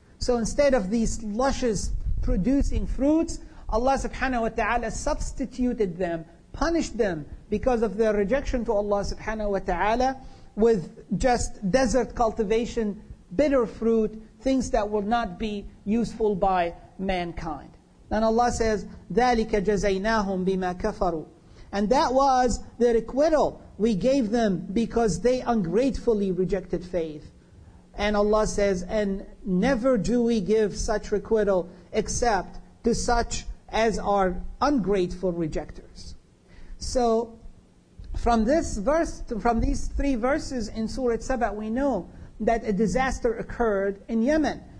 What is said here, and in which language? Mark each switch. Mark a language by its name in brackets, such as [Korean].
[English] So instead of these luscious producing fruits, Allah subhanahu wa ta'ala substituted them, punished them because of their rejection to Allah subhanahu wa ta'ala with just desert cultivation, bitter fruit, things that will not be useful by mankind. And Allah says, [Arabic] ذَلِكَ جَزَيْنَاهُمْ بِمَا كَفَرُوا. [English] And that was their acquittal. We gave them because they ungratefully rejected faith. And Allah says, and never do we give such requital except to such as are ungrateful rejectors. So, from this verse, from these three verses in Surah Sabah, we know that a disaster occurred in Yemen.